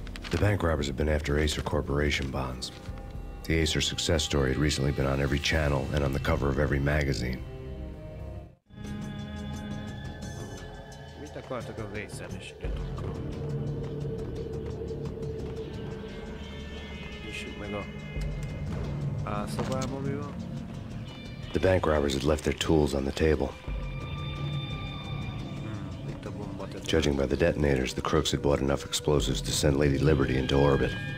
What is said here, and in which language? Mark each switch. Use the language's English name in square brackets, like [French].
[English] The bank robbers had been after Acer Corporation bonds. The Acer success story had recently been on every channel and on the cover of every magazine. What did you say to the Acer? [Hungarian] nézzük meg a álszobában, mi van. [English] The bank robbers had left their tools on the table. Judging by the detonators, the crooks had bought enough explosives to send Lady Liberty into orbit.